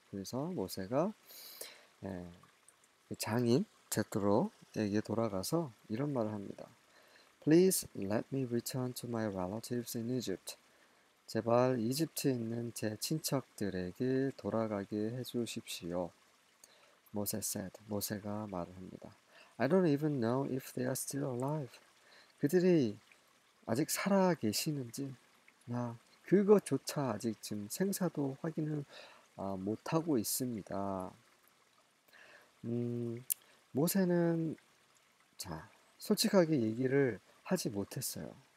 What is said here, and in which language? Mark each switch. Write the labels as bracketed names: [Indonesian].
[Korean] 그래서 모세가 장인 제트로에게 돌아가서 이런 말을 합니다. [English] Please let me return to my relatives in Egypt. [Korean] 제발 이집트에 있는 제 친척들에게 돌아가게 해주십시오. 모세 [English] said. [Korean] 모세가 말을 합니다. [English] I don't even know if they are still alive. [Korean] 그들이 아직 살아 계시는지 나 그것조차 아직 지금 생사도 확인을 못하고 있습니다. 모세는 자 솔직하게 얘기를 하지 못했어요.